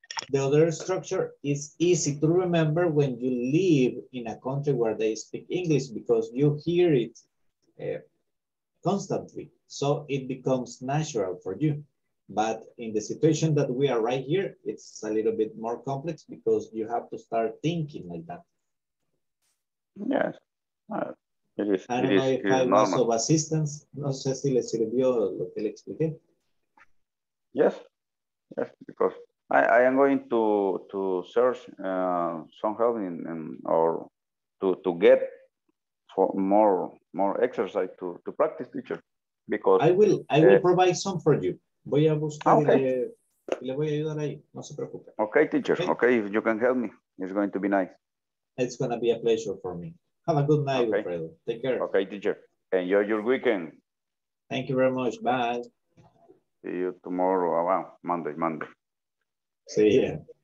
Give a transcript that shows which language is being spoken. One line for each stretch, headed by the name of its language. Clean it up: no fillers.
English: The other structure is easy to remember when you live in a country where they speak English because you hear it constantly. So it becomes natural for you. But in the situation that we are right here, it's a little bit more complex because you have to start thinking like that. Yes. I don't know if I was of assistance.
Spanish: No sé si le sirvió lo que le expliqué.
English: Yes, because I am going to search some help or to get for more exercise to practice, teacher. Because I will provide some for you.
Spanish: Voy a buscar le voy a ayudar ahí. No se preocupe.
English: Okay, teacher. Okay, if you can help me, it's going to be nice. It's going to be a pleasure for me. Have a good night, Alfredo. Okay. Take care. Okay, teacher. Enjoy your weekend. Thank you very much. Bye. See you tomorrow. Oh, wow, Monday. See ya.